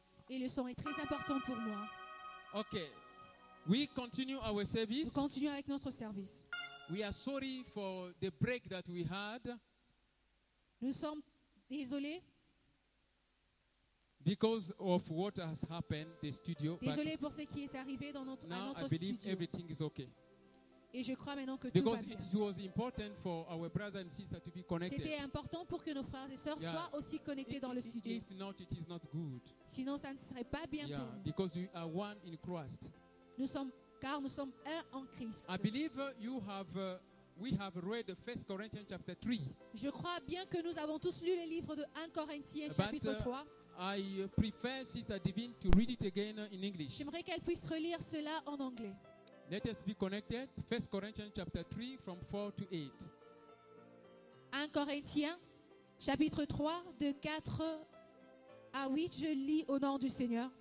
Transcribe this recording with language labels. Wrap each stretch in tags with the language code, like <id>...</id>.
<fr>Et le son est très important pour moi.</fr> <en>Okay. We continue our service.</en> <fr>Nous continuons avec notre service.</fr> <en>We are sorry for the break that we had.</en> <fr>Nous sommes désolés.</fr> <en>Because of what has happened, the studio.</en> <fr>Désolé pour ce qui est arrivé dans notre,</fr> <en>now</en> <fr>à notre</fr> <en>I believe</en> <fr>studio.</fr> <en>Everything is okay.</en> <fr>Et je crois maintenant que</fr> <en>because</en> <fr>tout va bien.</fr> <en>Because it was important for our brothers and sisters to be connected.</en> <fr>C'était important pour que nos frères et sœurs</fr> <en>yeah.</en> <fr>soient aussi connectés</fr> <en>if,</en> <fr>dans le studio.</fr> <en>If not, it is not good.</en> <fr>Sinon, ça ne serait pas bien</fr> <en>yeah,</en> <fr>pour nous.</fr> <en>Because we are one in Christ.</en> <fr>Nous sommes car nous sommes un en Christ.</fr> <en>I believe you have we have read 1 Corinthians chapter 3.</en> <fr>Je crois bien que nous avons tous lu le livre de 1 Corinthiens chapitre 3.</fr> <en>I prefer Sister Divine to read it again in English.</en> <fr>J'aimerais qu'elle puisse relire cela en anglais.</fr> <en>Let us be connected. 1 Corinthians chapter 3 from 4 to 8.</en> <fr>1 Corinthiens chapitre 3 de 4 à 8, je lis au nom du Seigneur.</fr>